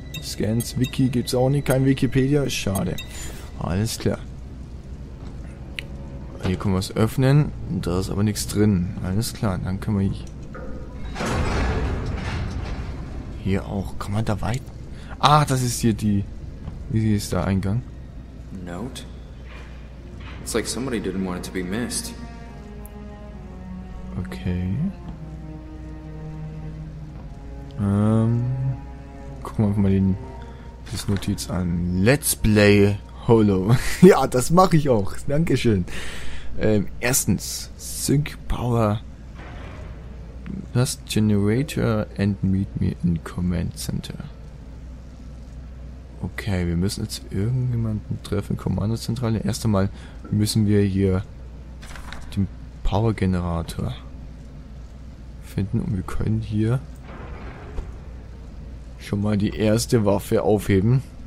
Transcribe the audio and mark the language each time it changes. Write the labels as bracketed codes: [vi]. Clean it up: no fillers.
[de] Scans, Wiki gibt's auch nicht, kein Wikipedia, schade. Alles klar. Hier können wir es öffnen, da ist aber nichts drin. Alles klar, dann können wir hier auch. Kann man da weit? Ah, das ist hier die. Wie ist der Eingang? [en] Note. It's like somebody didn't want it to be missed. Okay. [de] Gucken wir einfach mal die Notiz an. [en] Let's play Holo. [de] Ja, das mache ich auch. Dankeschön. Erstens, Sync Power. [en] Last Generator and meet me in Command Center. [de] Okay, wir müssen jetzt irgendjemanden treffen. Kommandozentrale. Erst einmal müssen wir hier den Power Generator finden und wir können hier schon mal die erste Waffe aufheben.